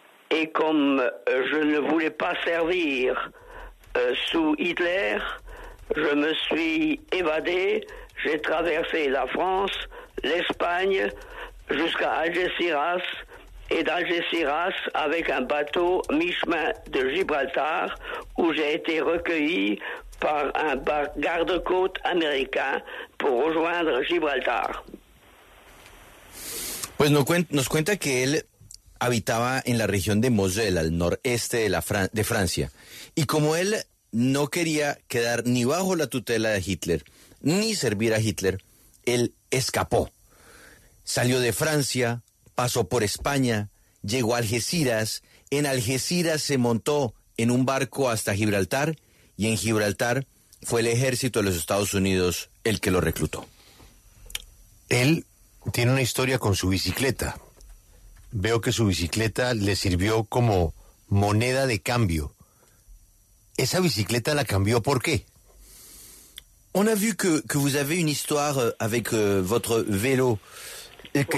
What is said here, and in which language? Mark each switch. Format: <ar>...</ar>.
<fr>Et comme je ne voulais pas servir sous Hitler, je me suis évadé, j'ai traversé la France, l'Espagne, jusqu'à Algeciras, et d'Algeciras avec un bateau mi-chemin de Gibraltar, où j'ai été recueilli par un garde-côte américain pour rejoindre Gibraltar.</fr> <es>Pues nos cuenta que él habitaba en la región de Moselle, al noreste de Francia, y como él no quería quedar ni bajo la tutela de Hitler, ni servir a Hitler, él escapó. Salió de Francia, pasó por España, llegó a Algeciras, en Algeciras se montó en un barco hasta Gibraltar, y en Gibraltar fue el ejército de los Estados Unidos el que lo reclutó. Él tiene una historia con su bicicleta. Veo que su bicicleta le sirvió como moneda de cambio. ¿Esa bicicleta la cambió por qué?</es> <fr>On a vu que vous avez une histoire avec votre vélo et que,</fr>